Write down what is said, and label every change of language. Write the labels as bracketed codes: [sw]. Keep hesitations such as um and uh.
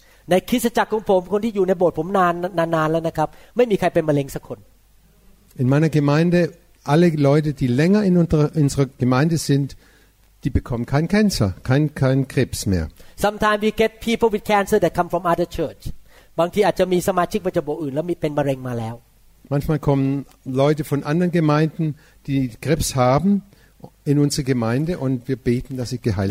[th] ในคริสตจักรของผมคนที่อยู่ในโบสถ์ผมนานนานแล้วนะครับไม่มีใครเป็นมะเร็งสักคน [de] In meiner Gemeinde alle Leute die länger in unserer Gemeinde sind die bekommen kein Cancer kein kein Krebs mehr [en] Sometimes we get people with cancer that come from other church [th] บางทีอาจจะมีสมาชิกประจำโบสถ์อื่นแล้วมีเป็นมะเร็งมาแล้ว [de] Manchmal kommen Leute von anderen Gemeinden die Krebs haben in unsere Gemeinde und wir beten, dass sie geheilt